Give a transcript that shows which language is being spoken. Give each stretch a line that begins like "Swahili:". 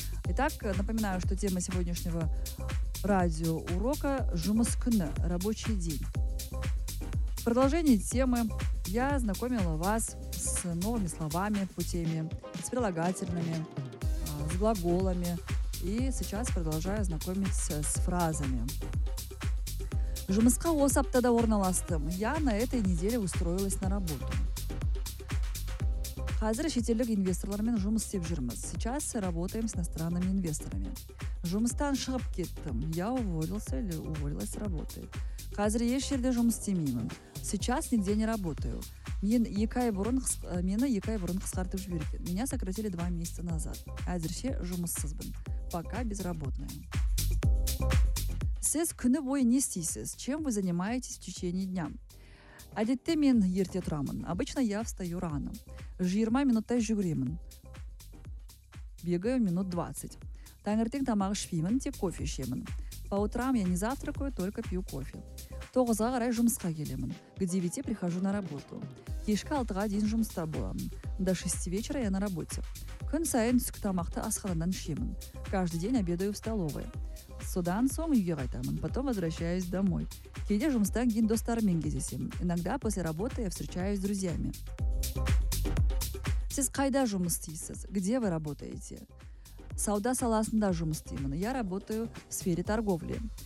Russian: Итак, напоминаю, что тема сегодняшнего радиоурока «Жумыскны» – «Рабочий день». В продолжении темы я знакомила вас с новыми словами по теме, с прилагательными, с глаголами. И сейчас продолжаю знакомить с фразами.
Kazakh: Жумысқа осы аптада орналастым.
Russian: Я на этой неделе устроилась на работу.
Kazakh: Қазір шетелдік инвесторлармен жұмыс істеп жүрміз.
Russian: Сейчас работаем с иностранными инвесторами.
Kazakh: Жұмыстан шығып кеттім.
Russian: Я уволился или уволилась с работы.
Kazakh: Қазір еш жерде жұмыс істемеймін.
Russian: Сейчас нигде не работаю.
Kazakh: Мені екі ай бұрын қысқартып жіберген.
Russian: Меня сократили 2 месяца назад.
Kazakh: Әзірше жұмыссызбын.
Russian: Пока безработная.
Kazakh: Сіз күні бойы не істейсіз?
Russian: Чем вы занимаетесь в течение дня?
Kazakh: Әдетте мен ерте тұрамын.
Russian: Обычно я встаю рано.
Kazakh: 20 минуттай жүгіремін.
Russian: Бегаю минут 20.
Kazakh: Таңертең тамақ ішпеймін, тек кофе ішемін.
Russian: По утрам я не завтракаю, только пью кофе.
Kazakh: Тоғызға қарай жұмысқа келемін.
Russian: К 9 прихожу на работу.
Kazakh: Кешкі 6-ға дейін жұмыста боламын.
Russian: До 6 вечера я на работе.
Kazakh: Күн сайын түскі тамақты асханадан ішемін.
Russian: Каждый день обедаю в столовой.
Kazakh: Содан соң үйге қайтамын.
Russian: Потом возвращаюсь домой.
Kazakh: Кейде жұмыстан кейін достарыммен кездесемін.
Russian: Иногда после работы я встречаюсь с друзьями.
Kazakh: Сіз қайда жұмыс істейсіз?
Russian: Где вы работаете?
Kazakh: Сауда саласында жұмыс істеймін.
Russian: Я работаю в сфере торговли.